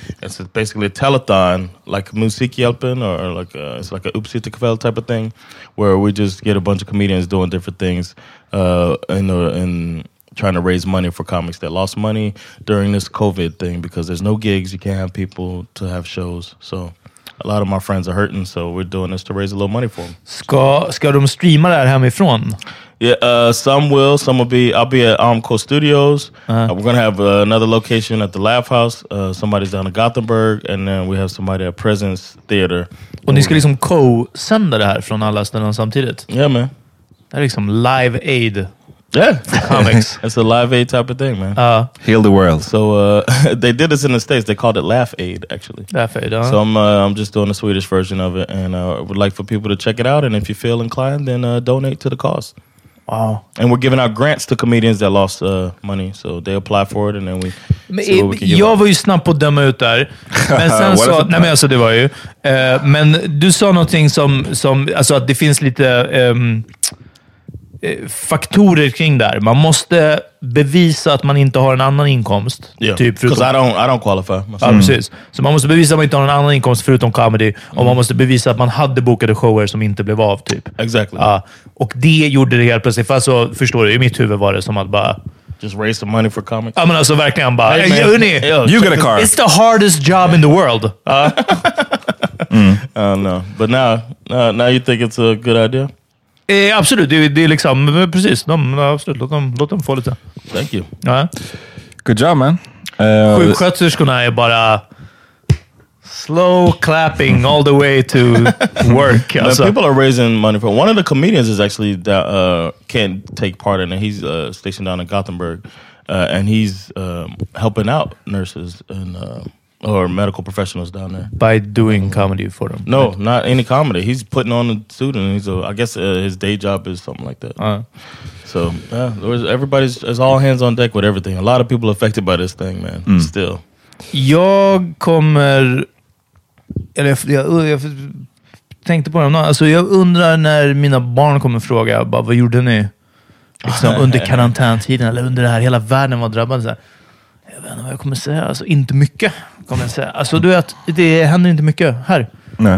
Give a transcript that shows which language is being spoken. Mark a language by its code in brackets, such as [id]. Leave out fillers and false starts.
[en] It's basically a telethon, like Musik Hjälpen, or like it's like a Oopsie to Kvell type of thing, where we just get a bunch of comedians doing different things. And trying to raise money for comics that lost money during this COVID thing, because there's no gigs, you can't have people to have shows. So a lot of my friends are hurting, so we're doing this to raise a little money for them. [sv] Ska de streama det här hemifrån? [en] Yeah, some will be. I'll be at Armco Studios. We're gonna have another location at the Laugh House. Somebody's down in Gothenburg, and then we have somebody at Presence Theater. [sv] Och ni ska liksom co-sända det här från alla ställen samtidigt? [en] Yeah, man. [sv] Det är liksom Live Aid. [en] Yeah. Comics. It's a Live Aid type of thing, man. Heal the world. So they did this in the States. They called it Laugh Aid, actually. Laugh Aid, huh? So I'm just doing the Swedish version of it. And I would like for people to check it out. And if you feel inclined, then donate to the cause. Wow. And we're giving out grants to comedians that lost money. So they apply for it. And then we [sv] Jag var ju snabb på att döma ut där. Men sen så... Nej, men alltså det var ju... men du sa någonting som... Alltså att det finns lite... faktorer kring där. Man måste bevisa att man inte har en annan inkomst. [en] Yeah. [sv] Typ förutom... [en] I don't qualify. [sv] Ja, precis. Så man måste bevisa att man inte har en annan inkomst förutom comedy. Mm. Och man måste bevisa att man hade bokade shower som inte blev av, typ. [en] Exactly. [sv] Ja. Och det gjorde det helt plötsligt. Fast så förstår du, i mitt huvud var det som att bara... [en] Just raise some money for comics. [sv] Ja, men alltså verkligen bara... [en] Hey, man. Hey, you get a car. It's the hardest job in the world. No. But now you think it's a good idea? [sv] Absolut, det är liksom precis. Absolut, låt dem få lite. [en] Thank you. [sv] Ja. [en] Good job, man. [sv] Sjuksköterskorna är bara [en] slow clapping all the way to work. [sv] Alltså. [en] People are raising money for one of the comedians is actually that can't take part in it. He's stationed down in Gothenburg, and he's helping out nurses and or medical professionals down there. By doing comedy for them? No, right? Not any comedy. He's putting on a suit and his day job is something like that. So, yeah, everybody's all hands on deck with everything. A lot of people affected by this thing, man, still. [sv] Jag kommer, eller jag tänkte på det, alltså jag undrar när mina barn kommer fråga bara, vad gjorde ni liksom under karantäntiden eller under det här, hela världen var drabbad, så här, jag vet inte vad jag kommer säga, alltså inte mycket kommer jag säga, alltså du vet, det händer inte mycket här. Nej.